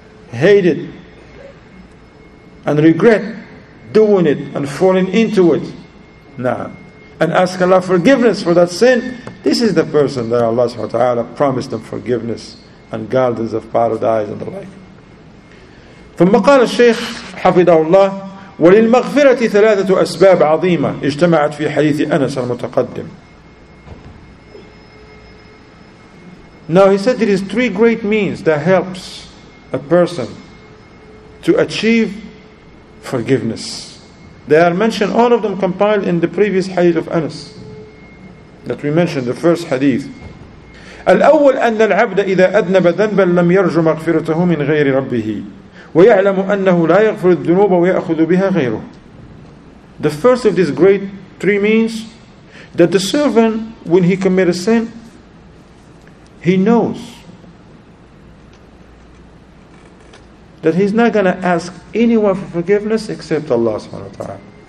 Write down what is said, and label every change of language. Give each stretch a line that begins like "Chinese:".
English: Hate it and regret doing it and falling into it. Nah. And ask Allah forgiveness for that sin. This is the person that Allah subhanahu wa ta'ala promised them forgiveness and gardens of paradise and the like.
Arabic: ثم قال الشيخ حفظه الله: وللمغفرة ثلاثة أسباب عظيمة اجتمعت في حديث أنس المتقدم.
English: Now he said there is three great means that helps a person to achieve forgiveness. They are mentioned, all of them compiled in the previous hadith of Anas that we mentioned, the first hadith.
Arabic: الأول أن العبد إذا أذنب ذنبا لم يرجو مغفرته من غير ربه ويعلم أنه لا يغفر الذنوب ويأخذ بها غيره.
English: The first of these great three means that the servant, when he commits a sin, he knows that he's not going to ask anyone for forgiveness except Allah subhanahu wa ta'ala.